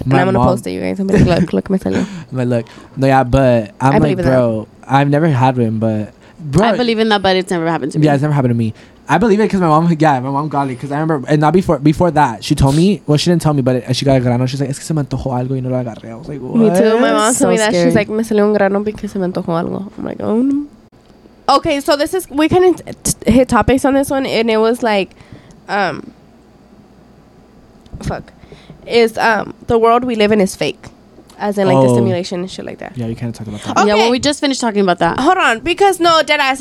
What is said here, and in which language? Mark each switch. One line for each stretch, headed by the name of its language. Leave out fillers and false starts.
English: And I'm going to post it, you guys. I'm going to look. Look,
Spanish: me salió.
English: But look. No, yeah, but I'm like, bro, that. I've never had one, but. Bro, I believe in that, but it's never happened to me. Yeah, it's never happened to me. I believe it because my mom got it. Because I remember, and not before that, she told me, well, she didn't tell me, but she got a grano. She's like,
Spanish: es que se me antojó algo y no lo agarré.
English: I was like, what? Me too. My mom told me that. She's like,
Spanish: me salió un grano porque se me antojó algo.
English: I'm like, oh no. Okay, so this is, we kind of hit topics on this one, and it was like, the world we live in is fake. As in, like, the simulation and shit like that. Yeah, you kind of talked about that. Okay. Yeah, well, we just finished talking about that. Hold on. Because, no, deadass.